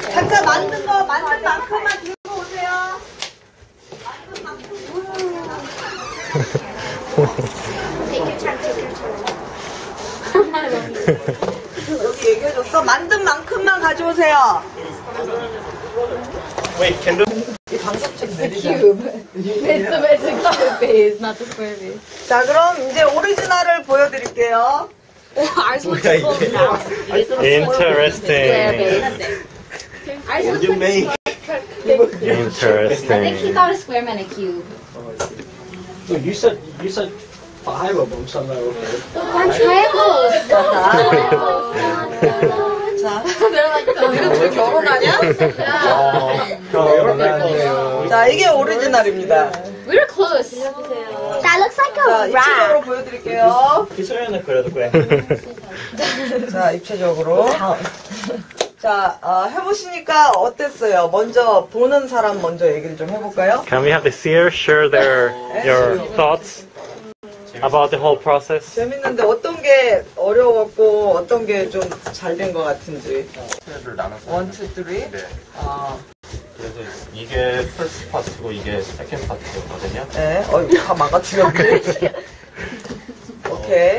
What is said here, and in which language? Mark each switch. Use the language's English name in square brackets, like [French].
[Korean] 잠깐 만든 거 만든 만큼만 들고 오세요. 여기 얘기해줬어. 만든 만큼만 가져오세요. [English] Wait, can the... It's a cube. It's the magic cube base, not the square base. [Korean] 자, 그럼 이제 오리지널을 보여드릴게요. [English] Ours looks cool now. Interesting. Ours looks like a square. Interesting. I think he thought a square meant a cube. So you said five of them somewhere over there. On triangles! We're close. That looks like a rock. [Korean] 자, 입체적으로. 자, 해보시니까 어땠어요? 먼저 보는 사람 먼저 얘기를 좀 해볼까요? [English] Can we have the seer share your thoughts? About the whole process. [Korean] 재밌는데 어떤 게 어려웠고 어떤 게 좀 잘 된 것 같은지. 스텝을 나눠서. 1, 2, 3. 네. 그래서 이게 first part고 이게 second part거든요. 네. 다 망가뜨렸네. 오케이.